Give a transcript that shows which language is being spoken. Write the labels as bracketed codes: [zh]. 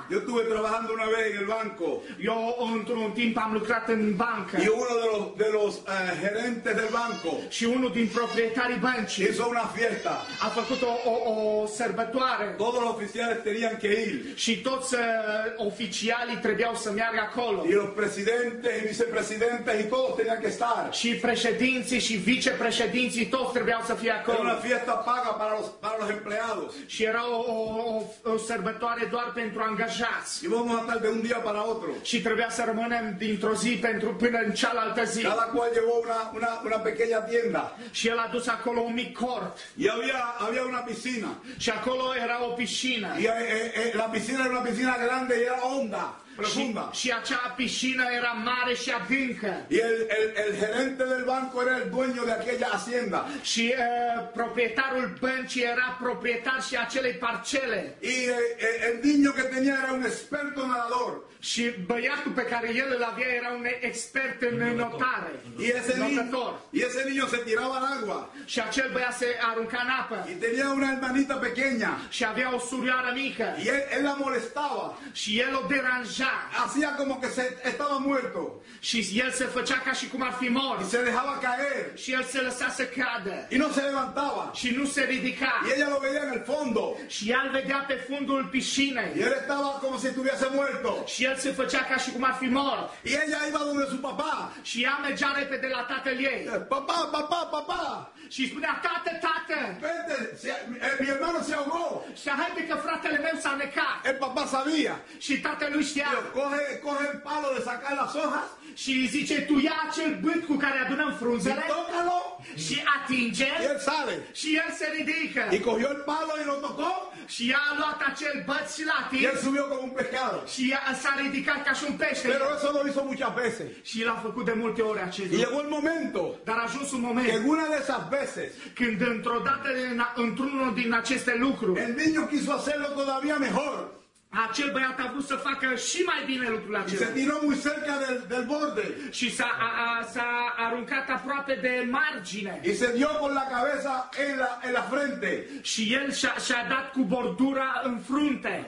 [es] Yo estuve trabajando una vez en el banco. [ro] Yo într-un timp am lucrat în bancă. [es] Y uno de los gerentes del banco. [ro] Și unul din proprietarii băncii. [es] Hizo una fiesta. [ro] A făcut o sărbătoare. [es] Todos los oficiales tenían que ir. [ro] Și toți oficialii trebuiau să meargă acolo. [es] Y los presidentes y vicepresidentes y todos tenían que estar. [ro] Și președinții și vicepreședinții toți trebuiau să fie acolo. [es] Era una fiesta paga para los empleados. [ro] Și era o sărbătoare doar pentru angajați. [es] Y vamos a estar de un día para otro. [ro] Și trebuia să rămânem dintr-o zi până în cealaltă zi. [es] Cada cual llevó una pequeña tienda. [ro] Și el a dus acolo un mic cort. [es] Y había una piscina. [ro] Și acolo era o piscină. [es] Y la piscina era una piscina grande y era honda. Profunda. [ro] Și acea piscină era mare și adâncă. [es] Y el gerente del banco era el dueño de aquella hacienda. [ro] Și proprietarul băncii era proprietar și acelei parcele. [es] Y el niño que tenía era un experto nadador. [ro] Și băiatul pe care el îl avea era un expert în notare. [es] Y ese niño. Y ese niño se tiraba al agua. [ro] Și acel băiat se arunca în apă. [es] Y tenía una hermanita pequeña. [ro] Și avea o surioară mică. [es] Y él la molestaba. [ro] Și el o deranja. [es] Hacía como que se estaba muerto. [ro] Și el se făcea ca și cum ar fi mort. [es] Y se dejaba caer. [ro] Și el se lăsa să cadă. [es] Y no se levantaba. [ro] Și nu se ridica. [es] Y ella lo veía en el fondo. [ro] și el vedea pe fundul piscinei. [es] El estaba como si estuviese muerto. [ro] Și el se făcea ca și cum ar fi mort. [es] Y ella iba donde su papá. [ro] Și ea mergea repede la tatăl ei. [es] Papá, papá, papá. [ro] Și spunea, tată, tată. [es] Vete, mi hermano se ahogó. [ro] Și haide că fratele meu s-a necat. [es] El papá sabía. [ro] Și tatălui știa. [es] Yo, coge el palo de sacar las hojas. [ro] Și îi zice, tu ia acel bât cu care adunăm frunzele. [es] Tócalo. [ro] Și atinge. [es] Y él sale. [ro] Și el se ridică. [es] Y cogió el palo y lo tocó. [ro] Și a luat acel băț și l-a atins. [es] Y él subió como un pescado. [ro] Și s-a ridicat ca și un pește. [es] Pero eso lo hizo muchas veces. [ro] Și l-a făcut de multe ori acest lucru. [es] Y llegó el momento. [ro] Dar a ajuns un moment. [es] En una de esas veces. [ro] Când într-o dată, într-unul din aceste lucruri. [es] El niño quiso hacerlo todavía mejor. [ro] Acel băiat a vrut să facă și mai bine lucrul acesta. [es] Se tiró muy cerca del borde. [ro] Și s-a aruncat aproape de margine. [es] Y se dio con la cabeza en la frente. [ro] Și el și-a dat cu bordura în frunte.